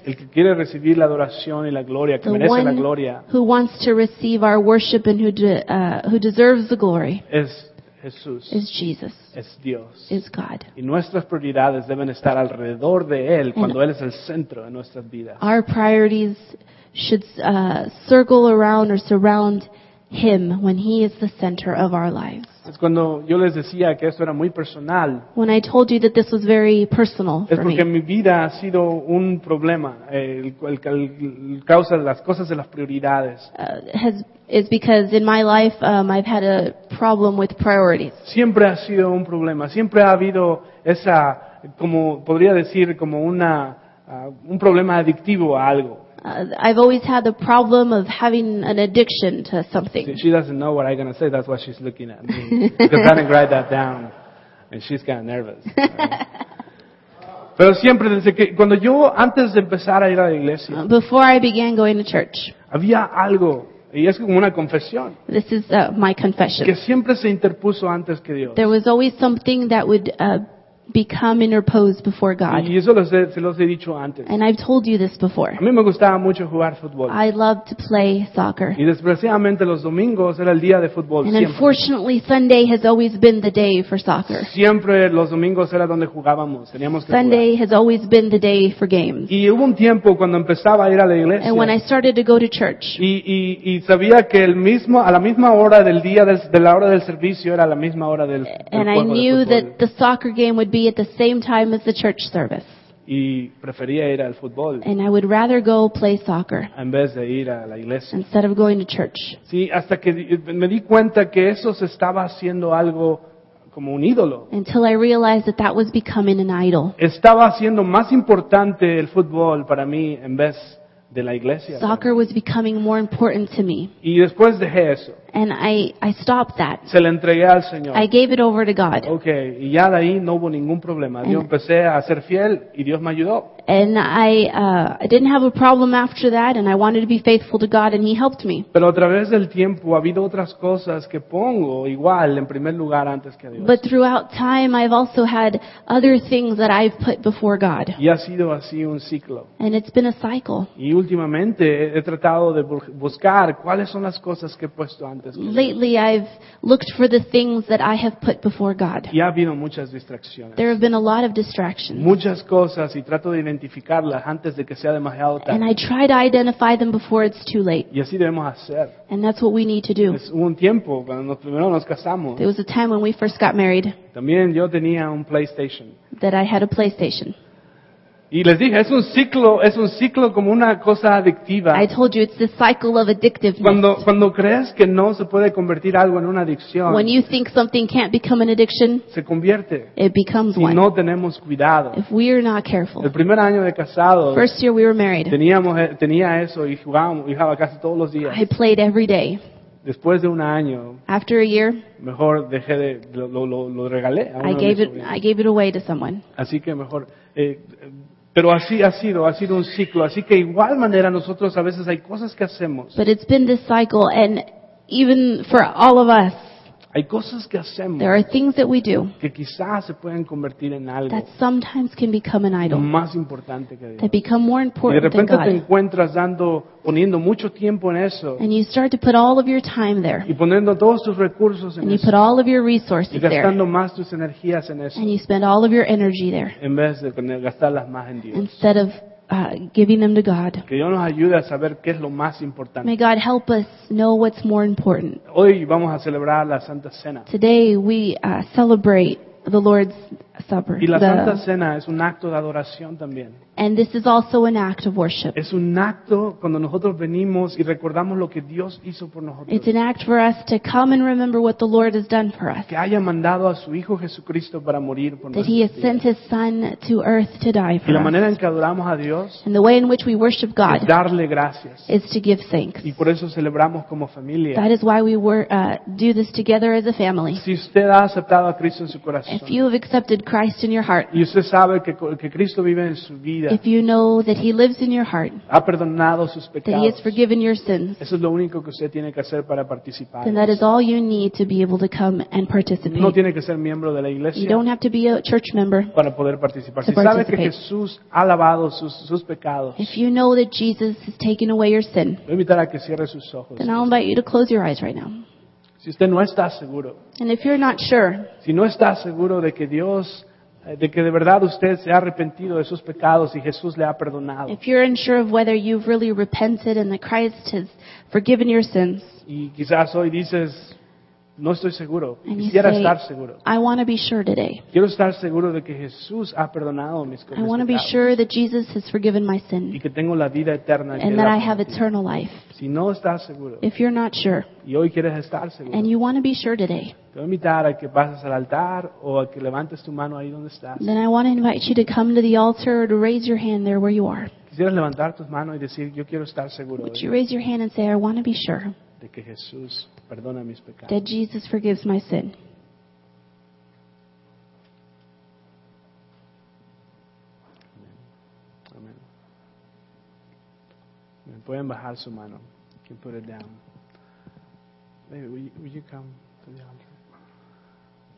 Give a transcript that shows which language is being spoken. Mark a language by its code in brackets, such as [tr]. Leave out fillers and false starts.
[es] El que quiere recibir la adoración y la gloria, que [en] the [es] merece [en] one [es] la gloria. [en] Who wants to receive our worship and who deserves the glory. [es] Es Jesús, [en] is Jesus, [es] es Dios, [en] is God. [es] Y nuestras prioridades deben estar alrededor de Él cuando Él es el centro de nuestras vidas. [en] Our priorities should circle around or surround Him when He is the center of our lives. [es] Es cuando yo les decía que esto era muy personal. [en] When I told you that this was very personal for me. [es] Es porque mi vida ha sido un problema, el causa de las cosas de las prioridades. [en] Is because in my life I've had a problem with priorities. [es] Siempre ha sido un problema. Siempre ha habido esa, como podría decir, como una un problema adictivo a algo. [en] I've always had the problem of having an addiction to something. She doesn't know what I'm going to say. That's why she's looking at me. I'm trying to write that down. And she's kind of nervous. [es] Pero siempre, desde que, cuando yo, antes de empezar a ir a la iglesia, [en] before I began going to church, [es] había algo, y es como una confesión, [en] this is my confession, [es] que siempre se interpuso antes que Dios. [en] There was always something that would become interposed before God. [es] Y eso se los he dicho antes. [en] And I've told you this before. [es] A mí me gustaba mucho jugar fútbol. [en] I love to play soccer. [es] Y desgraciadamente los domingos era el día de fútbol. [en] And [es] siempre. [en] Unfortunately, Sunday has always been the day for soccer. [es] Siempre los domingos era donde jugábamos. Teníamos que [en] Sunday [es] jugar. [en] Has always been the day for games. [es] Y hubo un tiempo cuando empezaba a ir a la iglesia. [en] And when I started to go to church. [es] Y sabía que a la misma hora del día de la hora del servicio era la misma hora del juego. [en] And I knew that the soccer game would be at the same time as the church service. [es] Y prefería ir al fútbol. [en] And I would rather go play soccer. [es] En vez de ir a la iglesia. [en] Instead of going to church. [es] Sí, hasta que me di cuenta que eso se estaba haciendo algo como un ídolo. [en] Until I realized that that was becoming an idol. [es] Estaba haciendo más importante el fútbol para mí en vez de la iglesia. [en] Soccer was becoming more important to me. [es] Y después dejé eso. [en] And I stopped that. [es] Se le entregué al Señor. [en] I gave it over to God. [es] Okay, y ya de ahí no hubo ningún problema. Yo empecé a ser fiel y Dios me ayudó. [en] And I didn't have a problem after that, and I wanted to be faithful to God, and He helped me. [es] Pero a través del tiempo ha habido otras cosas que pongo igual en primer lugar antes que a Dios. [en] But throughout time, I've also had other things that I've put before God. [es] Y ha sido así un ciclo. [en] And it's been a cycle. [es] Y últimamente he tratado de buscar cuáles son las cosas que he puesto antes. [en] Lately, I've looked for the things that I have put before God. [es] Y ha habido muchas distracciones. [en] There have been a lot of distractions. [es] Muchas cosas, y trato de identificarlas antes de que sea demasiado tarde. [en] And I try to identify them before it's too late. [es] Y así debemos hacer. [en] And that's what we need to do. [es] Hubo un tiempo cuando primero nos casamos. [en] There was a time when we first got married. [es] También yo tenía un PlayStation. [en] That I had a PlayStation. [es] Y les dije, es un ciclo como una cosa adictiva. [en] I told you, it's the cycle of addictiveness. [es] Cuando crees que no se puede convertir algo en una adicción, [en] when you think something can't become an addiction, [es] se convierte. [en] It becomes [es] si [en] one. [es] No tenemos cuidado. [en] If we are not careful. [es] El primer año de casado, [en] first year we were married, [es] tenía eso y jugaba casi todos los días. [en] I played every day. [es] Después de un año, [en] after a year, [es] mejor dejé de lo regalé. [en] I gave it away to someone. [es] Así que mejor, pero así ha sido un ciclo. Así que igual manera nosotros a veces hay cosas que hacemos. [en] But it's been this cycle, and even for all of us, [es] Hay cosas que hacemos. [en] There are things that we do [es] que quizás se pueden convertir en algo. [en] That sometimes can become an idol. [es] Lo más importante que Dios. [en] That become more important than God. [es] Y de repente te encuentras dando, poniendo mucho tiempo en eso. [en] And you start to put all of your time there. [es] Y poniendo todos tus recursos en [en] eso. You put all of your resources there. [es] Y gastando más tus energías en eso. [en] And you spend all of your energy there. [es] En vez de gastarlas más en Dios. [en] Instead of giving them to God. [es] Que Dios nos ayude a saber qué es lo más importante. [en] May God help us know what's more important. [es] Hoy vamos a celebrar la Santa Cena. [en] Today we celebrate the Lord's Supper. [es] Y la Santa Cena es un acto de adoración también. [en] And this is also an act of worship. [es] Es un acto cuando nosotros venimos y recordamos lo que Dios hizo por nosotros. [en] It's an act for us to come and remember what the Lord has done for us. [es] Que haya mandado a su Hijo Jesucristo para morir por nosotros. [en] That He has sent His Son to earth to die for us. [es] Y la manera en que adoramos a Dios. [en] And the way in which we worship God. [es] Es darle gracias. [en] Is to give thanks. [es] Y por eso celebramos como familia. [en] That is why we do this together as a family. [es] Si usted ha aceptado a Cristo en su corazón. [en] If you have accepted Christ in your heart. [es] Y usted sabe que Cristo vive en su vida. [en] If you know that He lives in your heart, [es] ha perdonado sus pecados, [en] that He has forgiven your sins, [es] eso es lo único que usted tiene que hacer para participar. [en] Then that is all you need to be able to come and participate. [es] No tiene que ser miembro de la iglesia. [en] You don't have to be a church member [es] para poder participar. [en] To [es] si sabe que Jesús ha lavado sus pecados, [en] if you know that Jesus has taken away your sin, [es] voy a invitar a que cierre sus ojos. [en] Then I'll invite you to close your eyes right now. [es] Si usted no está seguro, [en] and if you're not sure, [es] si no está seguro de que Dios de que de verdad usted se ha arrepentido de sus pecados y Jesús le ha perdonado. [en] If you're unsure of whether you've really repented and that Christ has forgiven your sins. [es] Y quizás hoy dices, no estoy seguro. Quisiera estar seguro. [en] I want to be sure today. [es] Quiero estar seguro de que Jesús ha perdonado mis pecados. [en] I want to be sure that Jesus has forgiven my sin. [es] Y que tengo la vida eterna. [en] And that I have eternal life. [es] Si no estás seguro. [en] If you're not sure. [es] Y hoy quieres estar seguro. [en] And you want to be sure today. [es] Te voy a invitar a que pases al altar o a que levantes tu mano ahí donde estás. [en] Then I want to invite you to come to the altar or to raise your hand there where you are. [es] ¿Quisieras levantar tus manos y decir, yo quiero estar seguro? [en] Would you raise your hand and say, I want to be sure. [es] De que Jesús perdona mis pecados. [en] That Jesus forgives my sin. Amen. Amen. [es] Pueden bajar su mano. [en] You can put it down. Baby, will you come to the altar?